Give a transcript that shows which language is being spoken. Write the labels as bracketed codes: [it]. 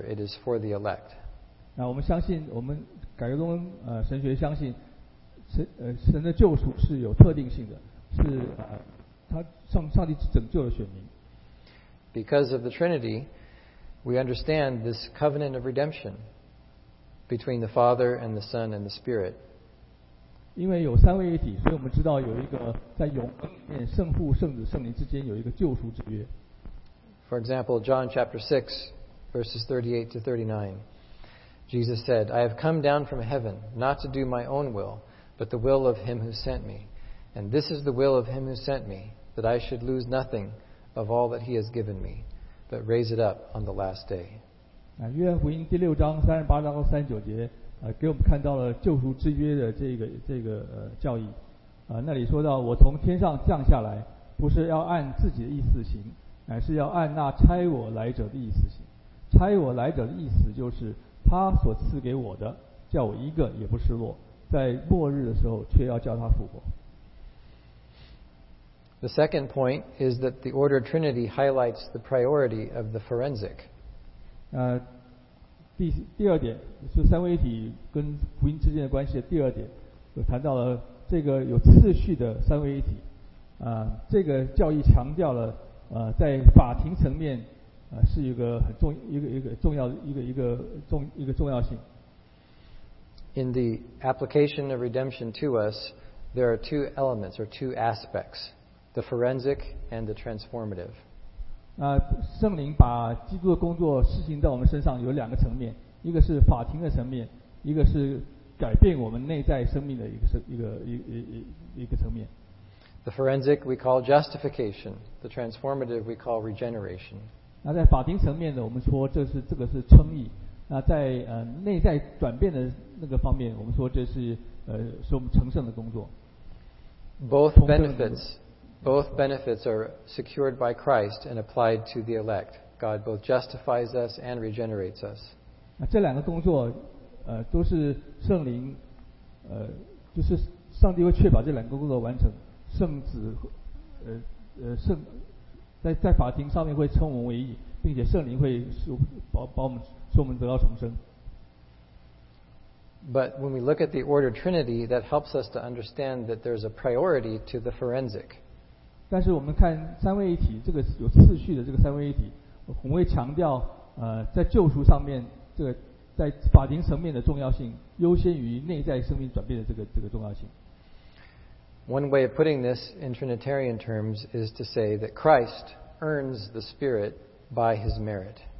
[en] It is for the elect. [zh] 那我们相信，我们改革中文神学相信神的救赎是有特定性的，是他上帝拯救了选民。 [en] Because of the Trinity, we understand this covenant of redemption between the Father and the Son and the Spirit. [zh] 因为有三位一体，所以我们知道有一个在永恩里面，圣父、圣子、圣灵之间有一个救赎之约。 [en] For example, John chapter 6, verses 38 to 39. Jesus said, I have come down from heaven, not to do my own will, but the will of him who sent me. And this is the will of him who sent me, that I should lose nothing of all that he has given me, but raise it up on the last day. [zh] 约翰福音第六章三十八章到三十九节给我们看到了救赎之约的这个教义。那里说到我从天上降下来不是要按自己的意思行，乃是要按那差我来者的意思行。差我来者的意思就是他所赐给我的，叫我一个也不失落，在末日的时候却要叫他复活。 [en] The second point is that the ordered Trinity highlights the priority of the forensic. [zh] 第二点是三位一体跟福音之间的关系的第二点，就谈到了这个有次序的三位一体。这个教义强调了在法庭层面。是一个很重一个重要一个重要性。 [en] In the application of redemption to us, there are two elements or two aspects: the forensic and the transformative. [zh] 圣灵把基督的工作施行在我们身上有两个层面，一个是法庭的层面，一个是改变我们内在生命的一个层面。 [en] The forensic we call justification. The transformative we call regeneration. [zh] 那在法庭层面呢，我们说这个是称义。那在内在转变的那个方面，我们说这是是我们成圣的工作。 [en] Both benefits are secured by Christ and applied to the elect. God both justifies us and regenerates us. [zh] 那这两个工作都是圣灵就是上帝会确保这两个工作完成。圣子圣。在法庭上面会称我们为义，并且圣灵会使我们得到重生。 [en] But when we look at the ordered Trinity, that helps us to understand that there's a priority to the forensic. [zh] 但是我们看三位一体，这个有次序的这个三位一体，我们会强调在救赎上面，这个在法庭层面的重要性，优先于内在生命转变的这个重要性。 [en] One way of putting this in Trinitarian terms is to say that Christ earns the Spirit by His merit.